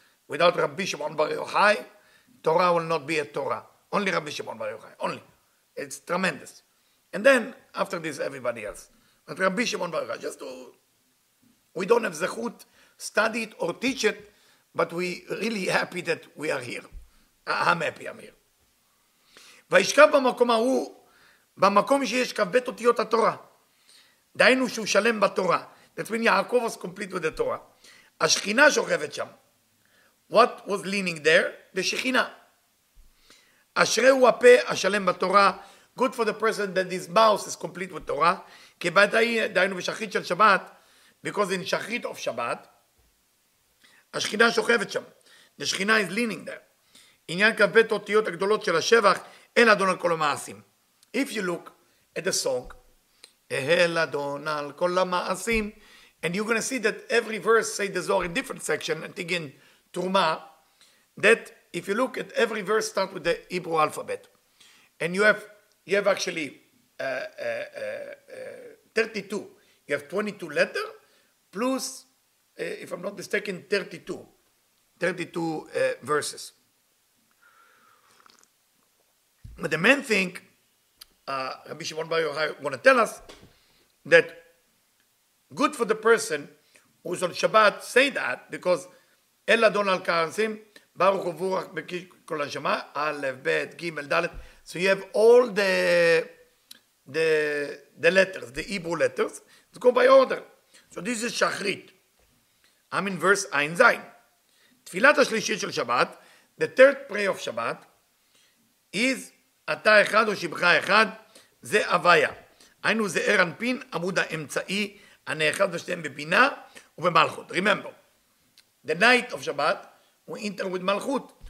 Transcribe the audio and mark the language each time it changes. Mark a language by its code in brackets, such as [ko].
[en] Without Rabbi Shimon bar Yochai, Torah will not be a Torah. Only Rabbi Shimon bar Yochai, only. It's tremendous. And then, after this, everybody else. But Rabbi Shimon bar Yochai, we don't have zechut, study it or teach it, but we really happy that we are here. I'm happy I'm here. [he] וישכב במקום ההוא, במקום שיש כ"ב אותיות התורה. דהיינו שהוא שלם בתורה. [en] That's when Yaakov was complete with the Torah. השכינה שוכבת שם. What was leaning there? The שכינה. [he] אשרי הוא הפה השלם בתורה. [en] Good for the person that his mouth is complete with Torah. [he] כי דהיינו בשחרית של שבת, [en] because in [he] שחרית of שבת, השכינה שוכבת שם. [en] The שכינה is leaning there. [he] עניין כ"ב אותיות הגדולות של השבח, אל אדון על כל המעשים. [en] If you look at the song, [he] אל אדון על כל המעשים, [en] and you're going to see that every verse say the Zohar in different section, and again, תרומה, that if you look at every verse start with the Hebrew alphabet, and you have actually 32, you have 22 letter, plus, if I'm not mistaken, 32 verses. But the main thing, Rabbi Shimon bar Yochai want to tell us, that good for the person who's on Shabbat say that, because [he] El Adon al Karsim, Baruch Uvurach Bekish Kol Hashama, [en] Alef, Bet, Gimel, Dalet. So you have all the letters, the Hebrew letters, to go by order. So this is Shachrit. I'm in verse Ein Zayin. [he] Tfilat HaShlishit Shel Shabbat, [en] the third prayer of Shabbat, [he] is אתה אחד או שבחה אחד, זה הוויה. היינו זה ערן פין, עמוד האמצעי, הנאחד ושתיהם בבינה ובמלכות. [en] Remember, the night of Shabbat, we enter with [he] מלכות,